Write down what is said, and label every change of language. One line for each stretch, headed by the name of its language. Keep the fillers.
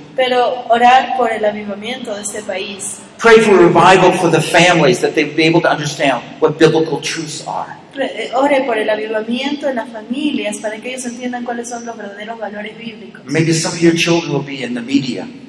Spanish: pero orar por el avivamiento de este país.
English: Pray for revival for the families that they be able to understand what biblical truths are.
Spanish: Ore por el avivamiento en las familias para que ellos entiendan cuáles son los verdaderos valores bíblicos.
English: Maybe some of your children will be in the media.